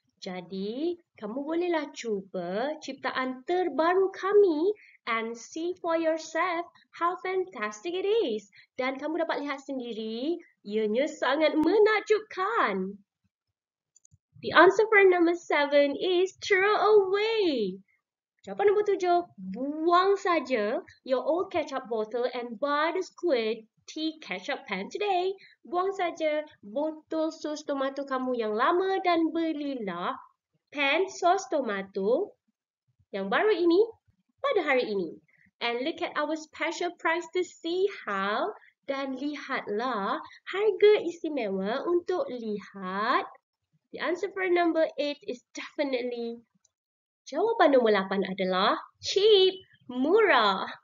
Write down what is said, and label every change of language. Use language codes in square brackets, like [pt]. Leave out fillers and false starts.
[ms] Jadi, kamu bolehlah cuba ciptaan terbaru kami [en] and see for yourself how fantastic it is. [ms] Dan kamu dapat lihat sendiri, ianya sangat menakjubkan. [en] The answer for number 7 is throw away. [ms] Jawapan nombor 7, buang saja [en] your old ketchup bottle and buy the squid tea ketchup pen today. [ms] Buang saja botol sos tomato kamu yang lama dan belilah pen sos tomato yang baru ini pada hari ini. [en] And look at our special price to see how. [ms] Dan lihatlah harga istimewa untuk lihat. [en] The answer for number 8 is definitely. [ms] Jawapan nombor 8 adalah cheap, murah.